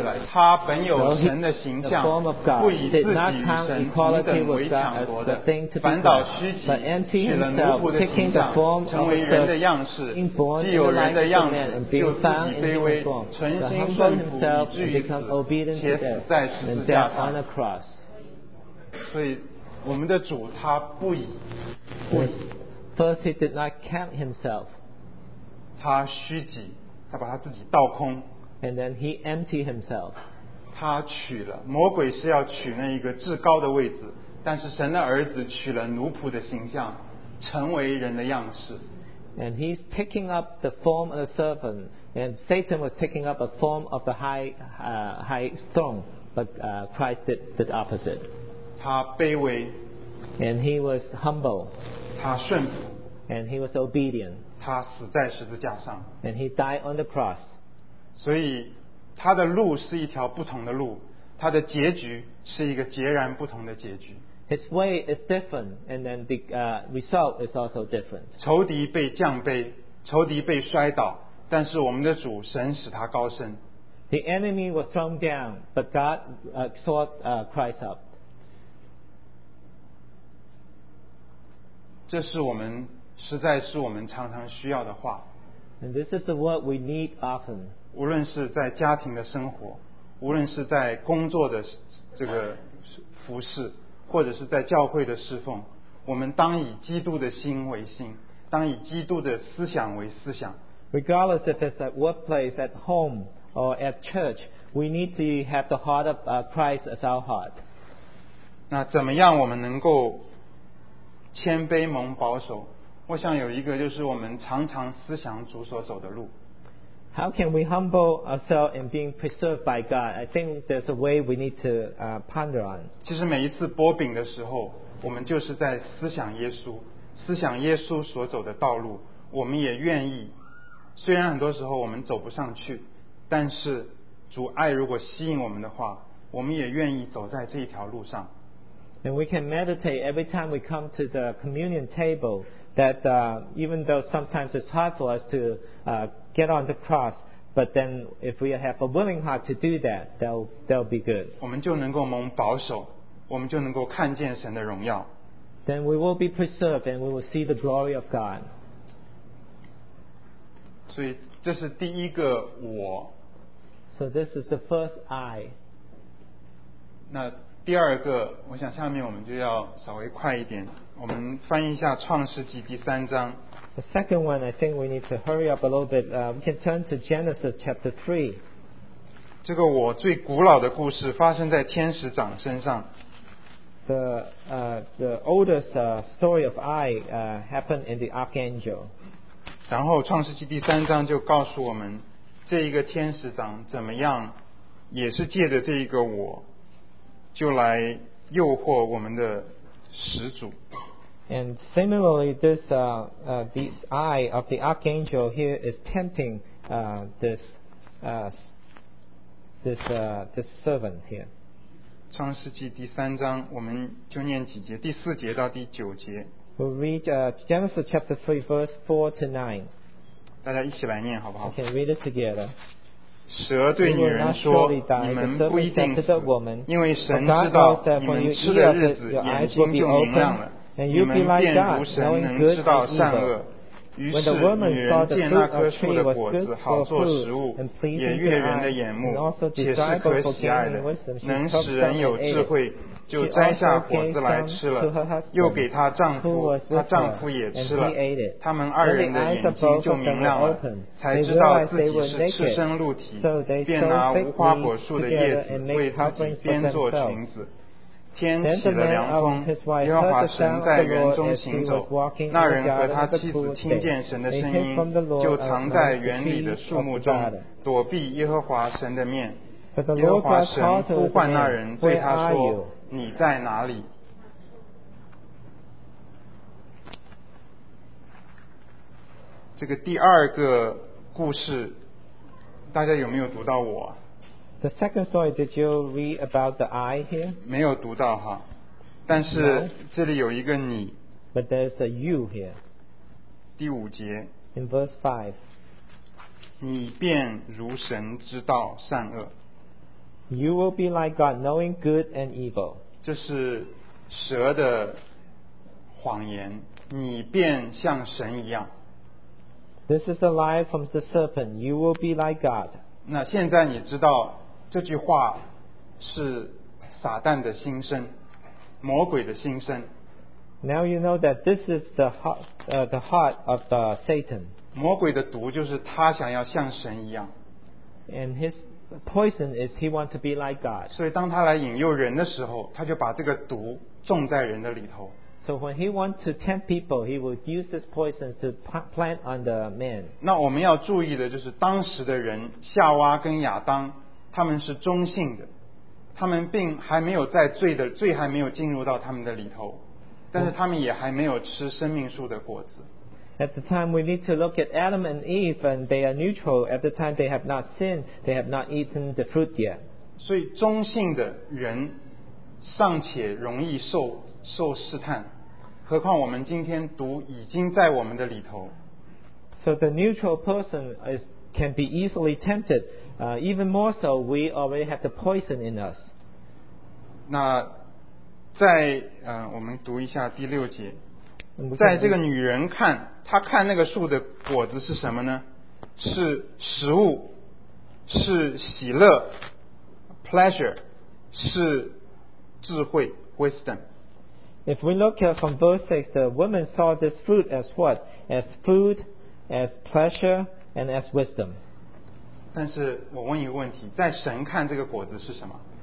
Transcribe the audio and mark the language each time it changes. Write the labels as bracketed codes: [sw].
[zh] 他本有神的形象，不以自己与神同等为强夺的，反倒虚己，取了奴仆的形象，成为人的样式，既有人的样子，就自己卑微，存心顺服，以至于死，且死在十字架上。所以，我们的主他不以， [en] First he did not count himself， [zh] 他虚己，他把他自己倒空。 [en] And then he emptied himself. [zh] 他取了，魔鬼是要取那一个至高的位置，但是神的儿子取了奴仆的形象，成为人的样式。 [en] And he's taking up the form of a servant, and Satan was taking up a form of the high throne, but Christ did the opposite. [zh] 他卑微。 [en] And he was humble. [zh] 他顺服。 [en] And he was obedient. [zh] 他死在十字架上。 [en] And he died on the cross. [zh] 所以他的路是一条不同的路，他的结局是一个截然不同的结局。 [en] His way is different and then the result is also different. [zh] 仇敌被降卑，仇敌被摔倒，但是我们的主神使他高升。 [en] The enemy was thrown down but God exalted Christ up. [zh] 这是我们实在是我们常常需要的话。 [en] And this is the word we need often. [zh] 无论是在家庭的生活，无论是在工作的这个服侍，或者是在教会的侍奉，我们当以基督的心为心，当以基督的思想为思想。 [en] Regardless if it's at workplace, at home, or at church, we need to have the heart of Christ as our heart. [zh] 那怎么样我们能够谦卑蒙保守？我想有一个就是我们常常思想主所走的路。 [en] How can we humble ourselves in being preserved by God? I think there's a way we need to ponder on. [zh] 其实每一次擘饼的时候，我们就是在思想耶稣，思想耶稣所走的道路。我们也愿意，虽然很多时候我们走不上去，但是主爱如果吸引我们的话，我们也愿意走在这一条路上。 [en] And we can meditate every time we come to the communion table that even though sometimes it's hard for us to get on the cross, but then if we have a willing heart to do that, that'll be good. [zh] 我们就能够蒙保守，我们就能够看见神的荣耀。 [en] Then we will be preserved and we will see the glory of God. [zh] 所以这是第一个我。 [en] So this is the first I. [zh] 那第二个，我想下面我们就要稍微快一点，我们翻译一下创世纪第三章。 [en] The second one, I think we need to hurry up a little bit. We can turn to Genesis chapter 3. [zh] 这个我最古老的故事发生在天使长身上。 [en] The oldest story of I happened in the archangel. [zh] 然后创世纪第三章就告诉我们这一个天使长怎么样，也是借着这一个我就来诱惑我们的始祖。 [en] And similarly, this this eye of the archangel here is tempting this servant here. [zh] 创世纪第三章，我们就念几节，第四节到第九节。 [en] We'll read Genesis chapter 3, verse 4 to 9. [zh] 大家一起来念好不好 [en] ？Okay, read it together. [zh] 蛇对女人说：“你们不一定死，因为神知道你们吃的日子，眼睛就明亮了。” [en] And you be like God, knowing good and evil. When the woman saw the fruit of the tree was good for food and pleasing to eyes, and also desirable for gaining wisdom, she took some and ate it. She also gave some to her husband, who was with her, and he ate it. Then the eyes of both of them were opened. They realized they were naked, so they sewed fig leaves together and made coverings for themselves. [zh] 天起了凉风，耶和华神在园中行走，那人和他妻子听见神的声音，就藏在园里的树木中，躲避耶和华神的面。耶和华神呼唤那人，对他说，你在哪里？这个第二个故事大家有没有读到？我 [en] The second story, did you read about the I here? [zh] 没有读到哈，但是这里有一个你。 [en] But there's a you here. [zh] 第五节。 [en] In verse 5. [zh] 你便如神知道善恶。 [en] You will be like God, knowing good and evil. [zh] 这是蛇的谎言，你便像神一样。 [en] This is a lie from the serpent. You will be like God. [zh] 那现在你知道这句话是撒旦的心声，魔鬼的心声。 [en] Now you know that this is the heart of the Satan. [zh] 魔鬼的毒就是他想要像神一样。 [en] And his poison is he want to be like God. [zh] 所以当他来引诱人的时候，他就把这个毒种在人的里头。 [en] So when he wants to tempt people, he will use this poison to plant on the man. [zh] 那我们要注意的就是当时的人，夏娃跟亚当，他们是中性的，他们并还没有在罪的罪还没有进入到他们的里头，但是他们也还没有吃生命树的果子。 [en] At the time, we need to look at Adam and Eve, and they are neutral. At the time, they have not sinned, they have not eaten the fruit yet. [zh] 所以中性的人尚且容易受试探，何况我们今天毒已经在我们的里头。 [en] So the neutral person is can be easily tempted. Even more so, we already have the poison in us. [zh] 那在我们读一下第六节，在这个女人看，她看那个树的果子是什么呢？是食物，是喜乐 ，pleasure， 是智慧 ，wisdom。 [en] If we look at from verse 6, the woman saw this fruit as what? As food, as pleasure, and as wisdom. [zh] 但是我问一个问题，在神看这个果子是什么？